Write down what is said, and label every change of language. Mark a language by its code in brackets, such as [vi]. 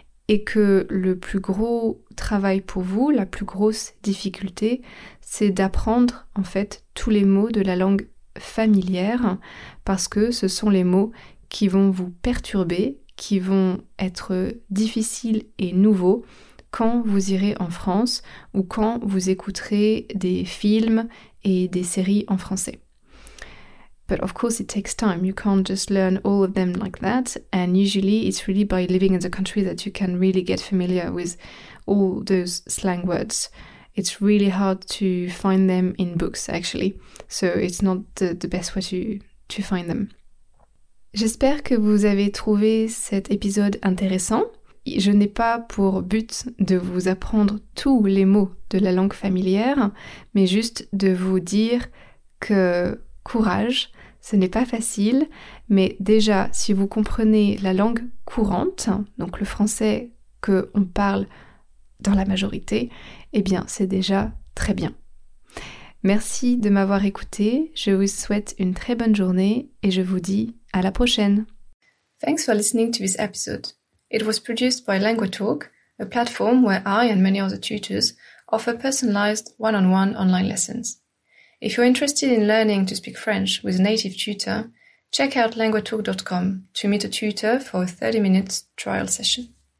[fr] et que le plus gros travail pour vous, la plus grosse difficulté, c'est d'apprendre en fait tous les mots de la langue familière, parce que ce sont les mots qui vont vous perturber, qui vont être difficiles et nouveaux quand vous irez en France ou quand vous écouterez des films et des séries en français. [en] But of course it takes time. You can't just learn all of them like that. And usually it's really by living in the country that you can really get familiar with all those slang words. It's really hard to find them in books actually. So it's not the best way to find them. [fr] J'espère que vous avez trouvé cet épisode intéressant. Je n'ai pas pour but de vous apprendre tous les mots de la langue familière, mais juste de vous dire que courage, ce n'est pas facile, mais déjà, si vous comprenez la langue courante, donc le français qu'on parle dans la majorité, eh bien, c'est déjà très bien. Merci de m'avoir écouté, je vous souhaite une très bonne journée et je vous dis à la prochaine. [en] Thanks for listening to this episode. It was produced by LanguageTalk, a platform where I and many other tutors offer personalized one-on-one online lessons. If you're interested in learning to speak French with a native tutor, check out LanguageTalk.com to meet a tutor for a 30-minute trial session.